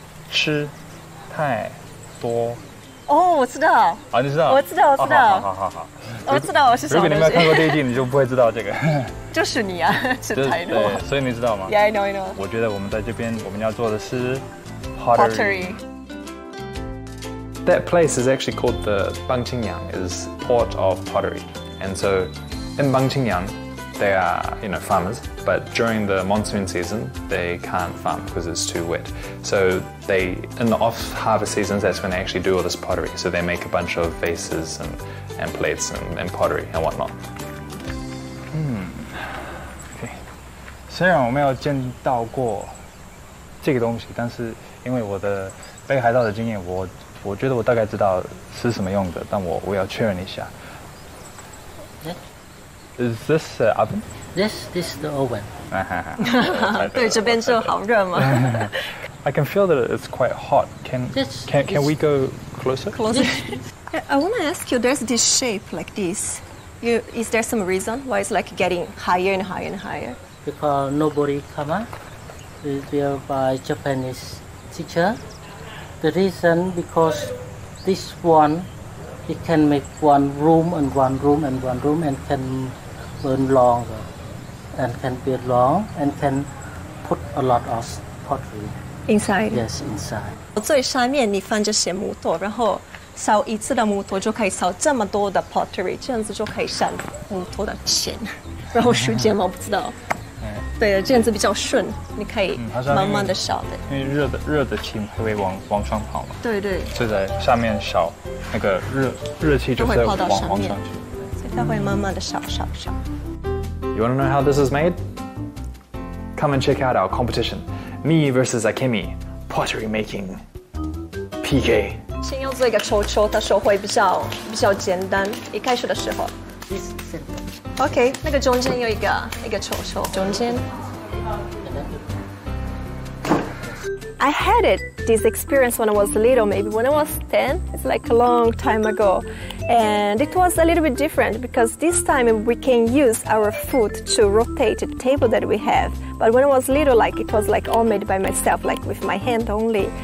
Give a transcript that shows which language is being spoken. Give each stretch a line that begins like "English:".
Chinese: 吃太多。哦、oh, ，我知道。啊，你知道？我知道，我知道。好好好好我知道我是什么。如果你没有看过第一季，你就不会知道这个。就是你啊，吃太多。对，所以你知道吗
English: ？Yeah, I know, I know。
Chinese: 我觉得我们在这边，我们要做的是
English: pottery。 That place is actually called the Bang Qing Yang, is port of pottery, and so in Bang Qing Yang, they are you know farmers, but during the monsoon season, they can't farm because it's too wet. So. They, in the off-harvest seasons, that's when they actually do all this pottery. So they make a bunch of vases and plates and pottery and whatnot. Okay.
Chinese: 虽然我没有见到过这个东西，但是因为我的北海道的经验，我觉得我大概知道是什么用的，但我要确认一下。
English: Is this an oven? Yes, this is the oven.
Chinese: 对，这边就好热吗？
English: I can feel that it's quite hot. Can we go closer? Closer. I want to ask you, there's this shape like this. Is there some reason why it's like getting higher and higher and higher? Because nobody come up. It's built by Japanese teacher. The reason because this one, it can make one room and one room and one room and can burn longer and can build long and can put a lot of pottery. Inside. Yes, inside.
Chinese: 最下面你放这些木头，然后烧一次的木头就可以烧这么多的 pottery， 这样子就可以省木头的钱。然后时间吗？我不知道。对，这样子比较顺，你可以慢慢的烧的。因为热的青会往上跑嘛。对对。所以在下面烧，那个热气就会泡到上面，所以它会慢慢的烧。
English: You wanna know how this is made? Come and check out our competition, Me versus Akemi, Pottery Making PK.
Chinese: 先用这个抽抽，它手会比较简单。一开始的时候
English: ，This simple.
Chinese: OK， 那个中间有一个抽抽，中间。
English: I had it this experience when I was little, maybe when I was 10. It's like a long time ago. And it was a little bit different because this time we can use our foot to rotate the table that we have. But when I was little, like it was like all made by myself, like with my hand only.